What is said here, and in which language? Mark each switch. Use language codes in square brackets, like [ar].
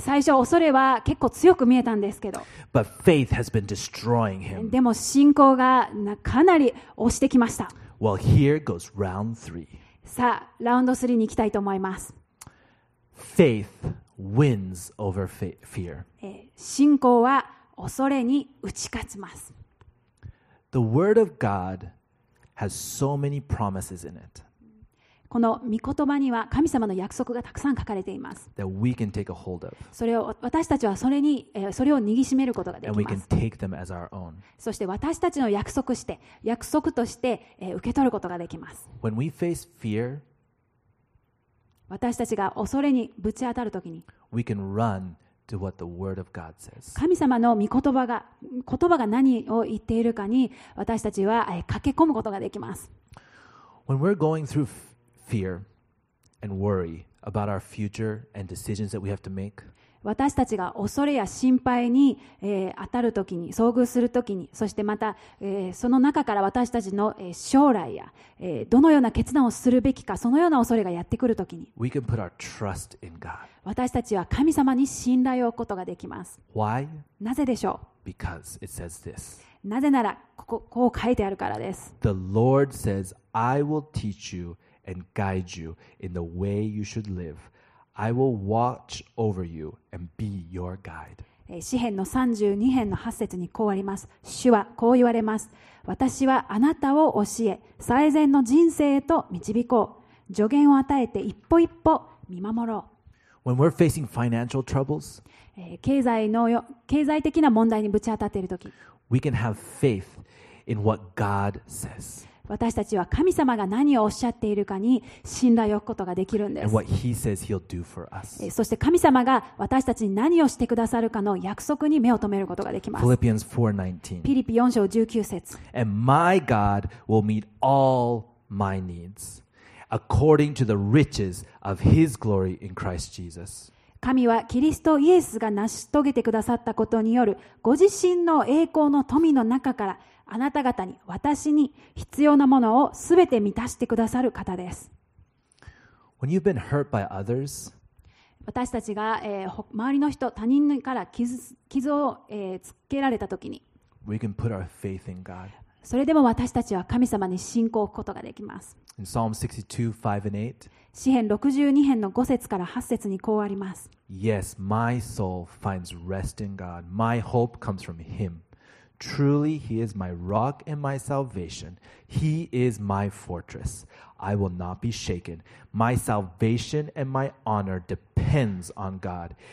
[ja] 最初恐れは結構強く見えたんですけど。 [en] But faith has been destroying him. [ja] でも信仰がかなり押してきました。 [en] Well, here goes round three. [ja] さあ、ラウンド3に行きたいと思います。 [en] Faith wins over fear. [ja] 信仰は恐れに打ち勝ちます。 [en] The word of God has so many promises in it. [ja] この御言葉には神様の約束がたくさん書かれています。 [en] That we can take a hold of. [ja] それを私たちはそれを握りしめることができます。 [en] And we can take them as our own. [ja] そして私たちの約束として受け取ることができます。 [en] When we face fear, [ja] 私たちが恐れにぶち当たるときに、 [en] we can run. To what the word of God says. [ja] 神様の御言葉が何を言っているかに私たちは駆け込むことができます。 [en] When we're going through fear and worry about our future and decisions that we have to make, [ja] 私たちが恐れや心配に当たるときに遭遇するときに、そしてまたその中から私たちの将来やどのような決断をするべきか、そのような恐れがやってくるときに、 [en] we can put our trust in God. [ja] 私たちは神様に信頼を置くことができます。 [en] Why? [ja] なぜでしょう? [en] Because it says this. [ja] なぜならこう書いてあるからです。 [en] The Lord says, I will teach you and guide you in the way you should live. I will watch over you and be your guide. [ja] 詩編の32編の8節にこうあります。主はこう言われます。私はあなたを教え、最善の人生へと導こう。助言を与えて一歩一歩見守ろう。 [en] When we're facing financial troubles, [ja] 経済的な問題にぶち当たっているとき、 [en] we can have faith in what God says. [ja] 私たちは神様が何をおっしゃっているかに信頼を置くことができるんです。 [en] And what He says He'll do for us. [ja] そして神様が私たちに何をしてくださるかの約束に目を留めることができます。 [en] Philippians 4:19. [ja] ピリピ4章19節。 [en] And my God will meet all my needs. According to the riches of His glory in Christ Jesus. [ja] 神はキリストイエスが成し遂げてくださったことによるご自身の栄光の富の中からあなた方に私に必要なものをすべて満たしてくださる方です。 [en] When you've been hurt by others, [ja] 私たちが周りの人、他人から傷をつけられたときに、 [en] we can put our faith in God. [ja] それでも私たちは神様に信仰を置くことができます。 [en] In Psalm 62, 5 and [ja] 8, 詩編62編の5節から8節にこうあります。 [en] Yes, my soul finds rest in God. My hope comes from Him. Truly, He is my rock and my salvation. He is my fortress. I will not be shaken. My salvation and my honor depends on God.